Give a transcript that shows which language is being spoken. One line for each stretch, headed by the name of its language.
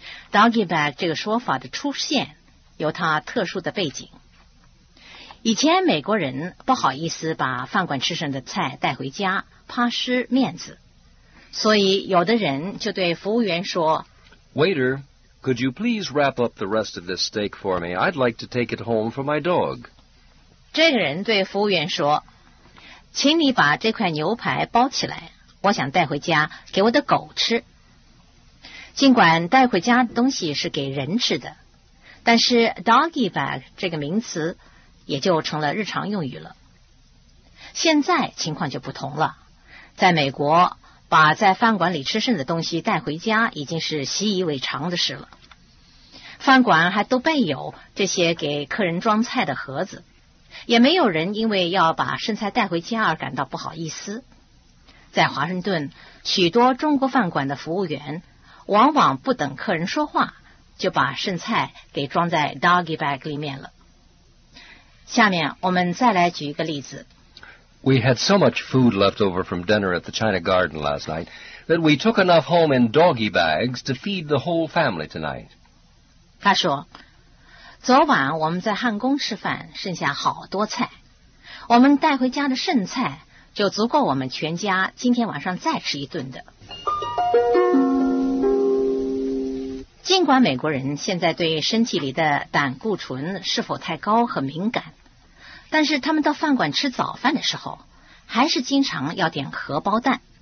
Chinese: Doggy bag 这个说法的出现有它特殊的背景。以前美国人不好意思把饭馆吃剩的菜带回家，怕失面子，所以有的人就对服务员说
English: Waiter, could you please wrap up the rest of this steak for me? I'd like to take it home for my dog.
Chinese: 这个人对服务员说，请你把这块牛排包起来，我想带回家给我的狗吃。尽管带回家的东西是给人吃的，但是 doggy bag 这个名词也就成了日常用语了。现在情况就不同了，在美国把在饭馆里吃剩的东西带回家已经是习以为常的事了，饭馆还都备有这些给客人装菜的盒子，也没有人因为要把剩菜带回家而感到不好意思。在华盛顿，许多中国饭馆的服务员往往不等客人说话就把剩菜给装在 doggy bag 里面了。下面我们再来举一个例子。
English: We had so much food left over from dinner at the China Garden last night that we took enough home in doggy bags to feed the whole family tonight.
Chinese: 他说，昨晚我们在汉宫吃饭，剩下好多菜，我们带回家的剩菜就足够我们全家今天晚上再吃一顿的。尽管美国人现在对身体里的胆固醇是否太高很敏感，但是他们到饭馆吃早饭的时候还是经常要点荷包蛋。